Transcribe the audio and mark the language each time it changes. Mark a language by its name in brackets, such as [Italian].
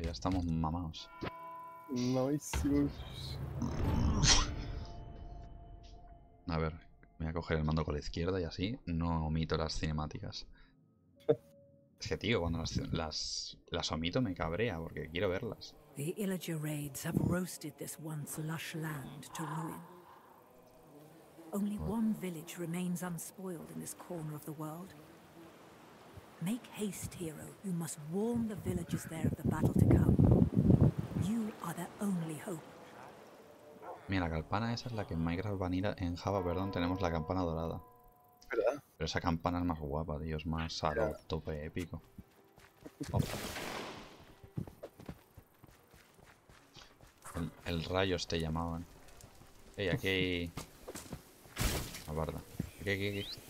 [Spanish] Ya estamos mamados. [English] Nice. [Spanish] A ver, voy a coger el mando con la izquierda y así no omito las cinemáticas. Es que, tío, cuando las omito me cabrea porque quiero verlas. [English] The Illager raids have roasted this once lush land to ruin. Only one village remains unspoiled in this corner of the world. Make haste, hero. You must warn the villagers there of the battle to come. You are their only hope. [Spanish] Mira, la campana esa es la que en Minecraft Vanilla, en Java, perdón, tenemos la campana dorada. ¿Verdad? Pero esa campana es más guapa, tío, es más a lo tope épico. El rayos te llamaban. Ey, aquí hay. La barda. Aquí.